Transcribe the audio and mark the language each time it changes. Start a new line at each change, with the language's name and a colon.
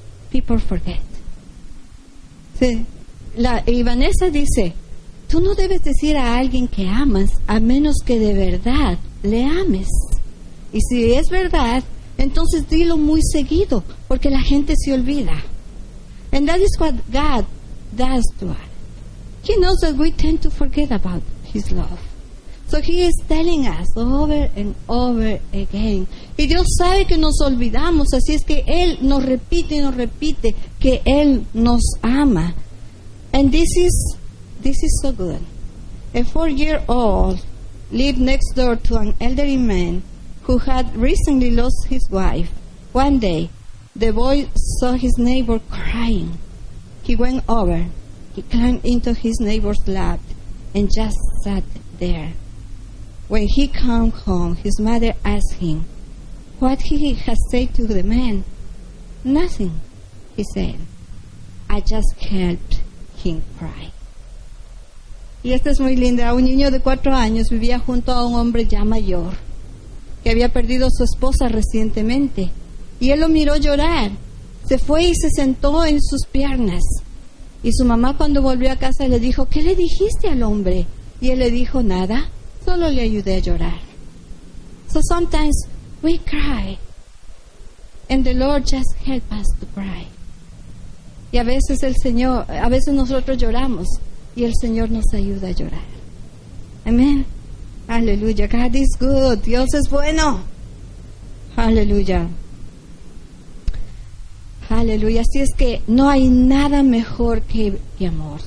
English: People forget. Sí.
Spanish: Y Vanessa dice, tú no debes decir a alguien que amas a menos que de verdad le ames. Y si es verdad, entonces dilo muy seguido, porque la gente se olvida.
English: And that is what God does to us. He knows that we tend to forget about His love. So He is telling us over and over again.
Spanish: Y Dios sabe que nos olvidamos, así es que Él nos repite y nos repite que Él nos ama.
English: And this is so good. A 4-year-old lived next door to an elderly man who had recently lost his wife. One day, the boy saw his neighbor crying. He went over. He climbed into his neighbor's lap and just sat there. When he came home, his mother asked him what he had said to the man. Nothing, he said. I just helped him cry.
Spanish: Y esta es muy linda. Un niño de 4 años vivía junto a un hombre ya mayor que había perdido a su esposa recientemente. Y él lo miró llorar. Se fue y se sentó en sus piernas. Y su mamá, cuando volvió a casa, le dijo, ¿qué le dijiste al hombre? Y él le dijo, nada, solo le ayudé a llorar.
English: So sometimes we cry, and the Lord just help us to cry.
Spanish: Y a veces el Señor, a veces nosotros lloramos, y el Señor nos ayuda a llorar. Amén. Aleluya.
English: God is good.
Spanish: Dios es bueno. Aleluya. Aleluya. Así es que no hay nada mejor que amor.